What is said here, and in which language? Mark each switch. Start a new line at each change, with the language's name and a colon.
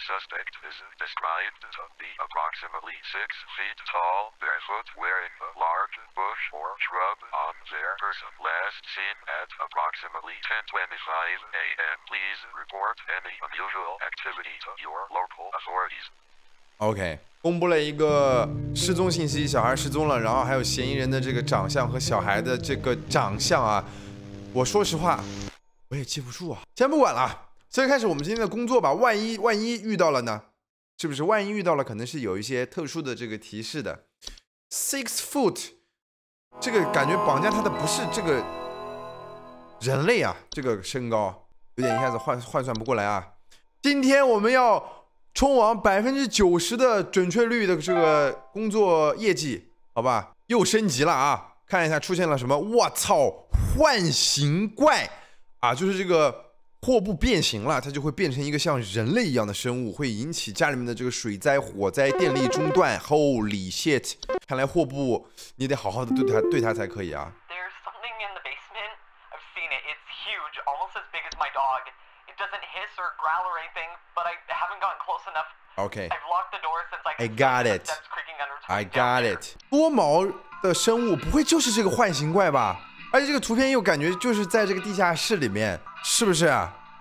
English: Suspect is described to be approximately 6 feet tall, barefoot, wearing a large bush or shrub on their person. Last seen at approximately 10:25 a.m. Please report any unusual activity to your local authorities. OK.
Chinese: 公布了一个失踪信息，小孩失踪了，然后还有嫌疑人的这个长相和小孩的这个长相啊，我说实话我也记不住啊，先不管了，先开始我们今天的工作吧，万一遇到了呢，是不是？万一遇到了可能是有一些特殊的这个提示的。6 foot， 这个感觉绑架他的不是这个人类啊，这个身高有点一下子换算不过来啊。今天我们要冲往90%的准确率的这个工作业绩，好吧，又升级了啊，看一下出现了什么，卧槽，幻形怪啊，就是这个货物变形了，它就会变成一个像人类一样的生物，会引起家里面的这个水灾、火灾、电力中断。
English: Holy shit！
Chinese: 看来货物你得好好的对它才可以啊。
English: There's something in the basement. I've seen it. It's huge, almost as big as my dog. It doesn't hiss or growl or anything, but I haven't gotten close enough. Okay. I've locked the door since I got it. I got it.
Chinese: 多毛的生物不会就是这个幻形怪吧？而且这个图片又感觉就是在这个地下室里面。是不是啊？